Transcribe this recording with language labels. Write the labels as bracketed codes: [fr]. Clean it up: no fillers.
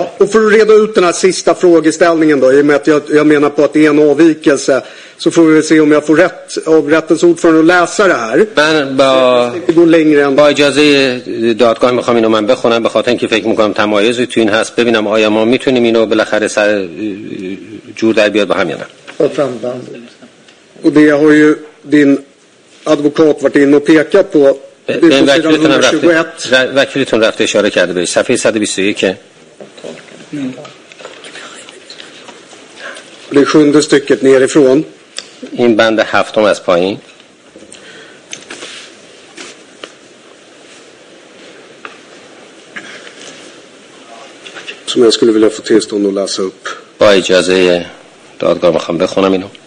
[sv] För att reda ut den här sista frågeställningen då, i och med att jag menar på att det är en avvikelse, så får vi se om jag får rätt av rättens ordförande att läsa det här. Men går längre än [fa] با اجازه دادگاه میخوام اینو من بخونم به خاطر اینکه فکر میکنم تمایزی تو این هست ببینم آیا ما میتونیم اینو بالاخره سر جور در بیاد با هم یا نه. [sv] و det har ju din advokat varit inne och pekat på. Den verkligheten har rätt. Verkligheten rätt [fa] اشاره کرده به صفحه 121 که. [sv] Det sjunde stycket nerifrån. [fa] این بند هفتم از پایین. [sv] Som jag skulle vilja få tillstånd att läsa upp. [fa] با اجازه دادگاه میخوام بخونم اینو.